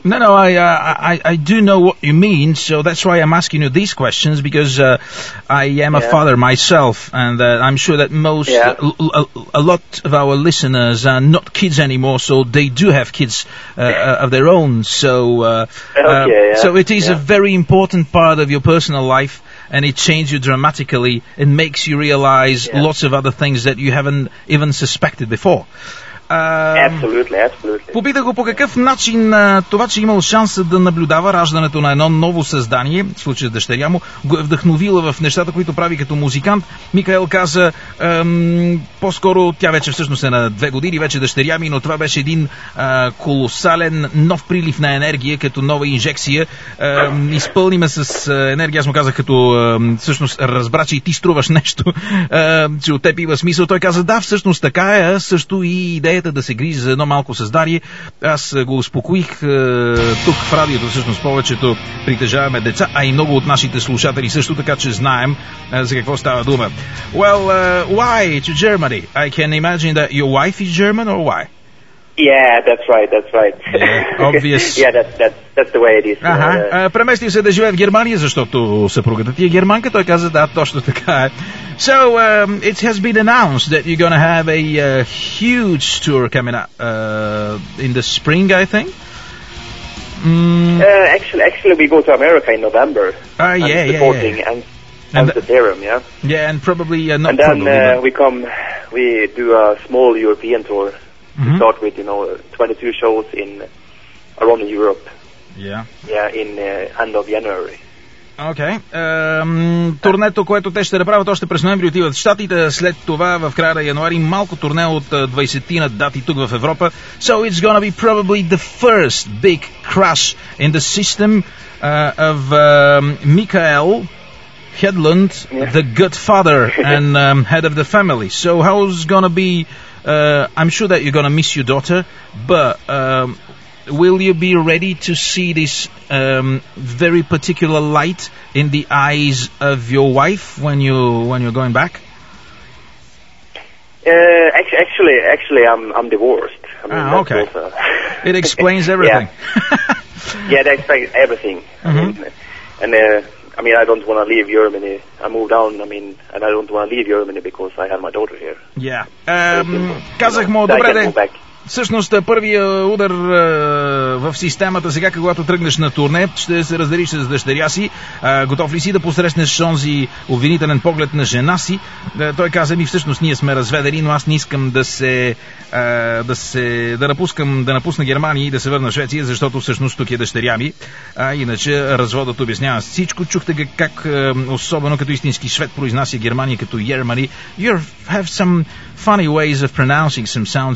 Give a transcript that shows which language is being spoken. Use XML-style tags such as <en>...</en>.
<en>No, I do know what you mean, so that's why I'm asking you these questions, because I am a father myself, and I'm sure that most, a lot of our listeners are not kids anymore, so they do have kids of their own, so so it is a very important part of your personal life. And it changes you dramatically and makes you realize lots of other things that you haven't even suspected before. Absolutely.</en> <bg>Попита го по какъв начин това, че имал шанса да наблюдава раждането на едно ново създание, в случая с дъщеря му, го е вдъхновила в нещата, които прави като музикант. Микаел каза, по-скоро тя вече всъщност е на 2 години, вече дъщеря ми, но това беше един колосален нов прилив на енергия, като нова инжекция. Изпълниме с енергия, аз му казах, като всъщност разбра, че и ти струваш нещо, че от теб има смисъл. Той каза, да, всъщност така е, също и идеята да се грижи за едно малко създание. Аз го успокоих тук в радиото, всъщност повечето притежаваме деца, а и много от нашите слушатели също, така че знаем за какво става дума.</bg> <en>Well, why to Germany? I can imagine that your wife is German, or why? Yeah, that's right. Yeah, obvious. Yeah, that's the way it is.</en> <bg>Аха, преместил се да живее в Германия, защото съпругата ти е германка. Той каза, да, точно така е.</bg> <en>So, it has been announced that you're going to have a huge tour coming up in the spring, I think. Actually, we go to America in November. Supporting Amsterdam, Yeah, and probably not. And then probably, we do a small European tour to start with, you know, 22 shows in around Europe. Yeah, in end of January.</en> <bg>Окей. Турнето, което те ще направят още през ноември, отиват в Щатите, след това в края на януари малко турне от 20-тина дати тук в Европа.</bg> <en>So it's gonna be probably the first big crash in the system of Mikael Hedlund, the good father and head of the family. So how's gonna be, I'm sure that you're gonna miss your daughter, but will you be ready to see this very particular light in the eyes of your wife when you're going back? Actually, I'm divorced. Okay. Also... it explains everything. Yeah, that explains everything. Mm-hmm. And I mean, I don't want to leave Germany. I moved down. I mean, and I don't want to leave Germany because I had my daughter here. Yeah.</en> <bg>Казахме, добре де. Всъщност, първия удар в системата сега, когато тръгнеш на турне, ще се разделиш с дъщеря си. Готов ли си да посрещнеш онзи обвинителен поглед на жена си? Той каза ми, всъщност ние сме разведени, но аз не искам да се да напусна Германия и да се върна в Швеция, защото всъщност тук е дъщеря ми. Иначе разводът обяснява всичко. Чухте как, особено като истински швед, произнася Германия като Germany.</bg> <en>You have some funny ways of pronouncing some sounds.</en>